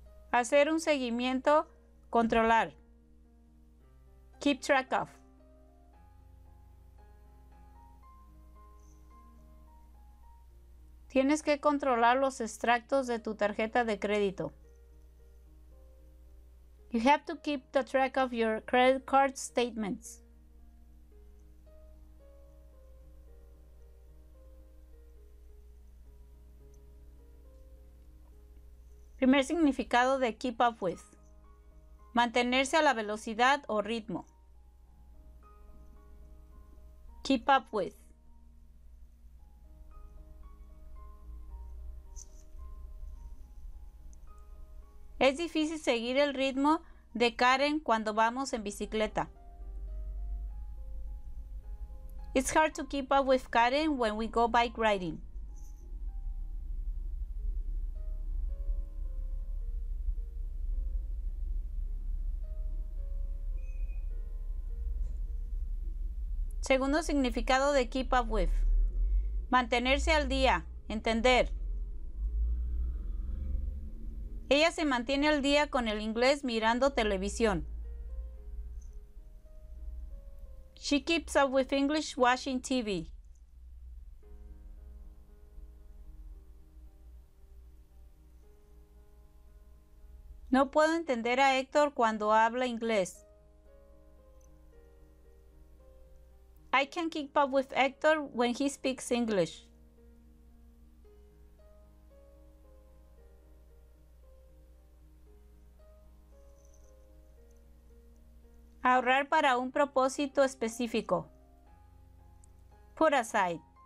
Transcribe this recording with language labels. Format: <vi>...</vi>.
<es>Hacer un seguimiento, controlar.</es> <en>Keep track of.</en> <es>Tienes que controlar los extractos de tu tarjeta de crédito.</es> <en>You have to keep the track of your credit card statements.</en> <es>Primer significado de</es> <en>keep up with.</en> <es>Mantenerse a la velocidad o ritmo.</es> <en>Keep up with.</en> <es>Es difícil seguir el ritmo de Karen cuando vamos en bicicleta.</es> <en>It's hard to keep up with Karen when we go bike riding.</en> <es>Segundo significado de</es> <en>keep up with.</en> <es>Mantenerse al día, entender. Ella se mantiene al día con el inglés mirando televisión.</es> <en>She keeps up with English watching TV.</en> <es>No puedo entender a Héctor cuando habla inglés.</es> <en>I can't keep up with Héctor when he speaks English.</en> <es>Ahorrar para un propósito específico.</es> <en>Put aside.</en>